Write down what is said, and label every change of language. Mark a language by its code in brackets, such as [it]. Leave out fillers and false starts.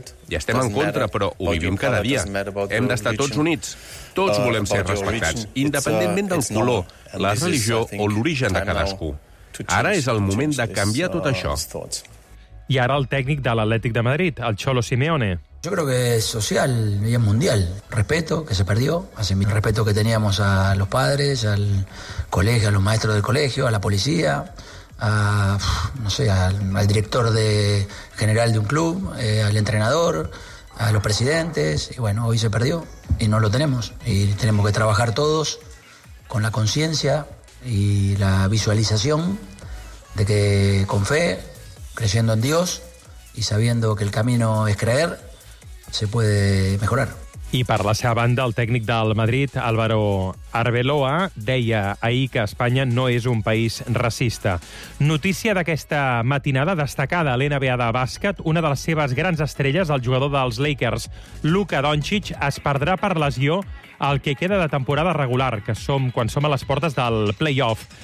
[ca] Ja estem en contra, però ho vivim cada dia. Hem d'estar tots units. Tots volem ser respectats, independentment del color, la religió o l'origen de cadascú. Ara és el moment de canviar tot això. I ara el tècnic de l'Atlètic de Madrid, el Cholo Simeone. [es] Yo creo que es social y es mundial. Respeto que se perdió, hace mi respeto que teníamos a los padres, al colegio, a los maestros del colegio, a la policía, a, no sé, al director de general de un club, al entrenador, a los presidentes, y bueno, hoy se perdió y no lo tenemos. Y tenemos que trabajar todos con la conciencia y la visualización de que con fe, creyendo en Dios y sabiendo que el camino es creer, se puede mejorar. [ca] I per la seva banda, el tècnic del Madrid, Álvaro Arbeloa, deia ahir que Espanya no és un país racista. Notícia d'aquesta matinada destacada a l'NBA de bàsquet, una de les seves grans estrelles, el jugador dels Lakers, Luka Doncic, es perdrà per lesió el que queda de temporada regular, que som quan som a les portes del play-off.